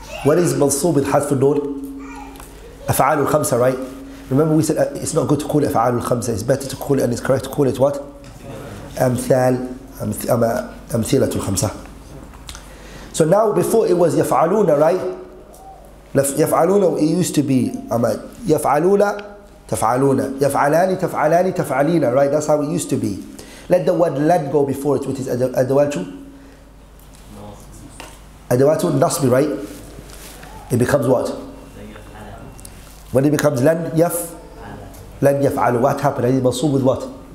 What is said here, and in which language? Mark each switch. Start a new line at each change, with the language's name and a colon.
English: What is
Arabic: مرصوب بحذف النون? أفعال الخمسة, right?
English: Remember we said it's not good to call it
Arabic: أفعال الخمسة.
English: It's better to call it and it's correct to call it what?
Arabic: أمثال أمثلة الخمسة.
English: So now before it was يفعلون, right?
Arabic: يفعلون
English: it used to be
Arabic: يفعلون تفعلون يفعلان تفعلان تفعلين, right?
English: That's how it used to be. Let the word lad go before it, which is adawatu. Adawatu nasbi, right? It becomes what? When it becomes lan yaf'alu. What happened? It is mansub with what?